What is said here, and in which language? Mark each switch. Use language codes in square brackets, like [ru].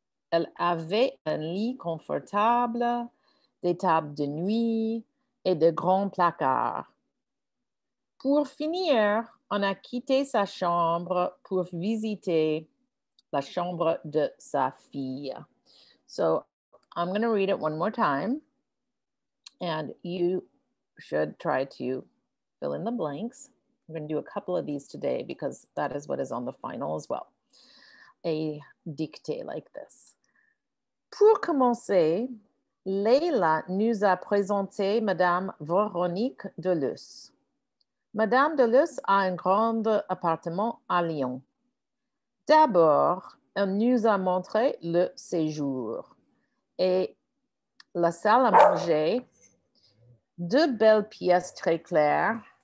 [fr] Elle avait un lit confortable, des tables de nuit et de grands placards. Pour finir, on a quitté sa chambre pour visiter la chambre de sa fille. [en] So, I'm going to read it one more time. And you should try to fill in the blanks. We're going to do a couple of these today because that is what is on the final as well. A dictée like this. [fr] Pour commencer, Leila nous a présenté Madame Véronique de Luz. Madame de Luz a un grand appartement à Lyon. D'abord, elle nous a montré le séjour et la salle à manger, deux belles pièces très claires.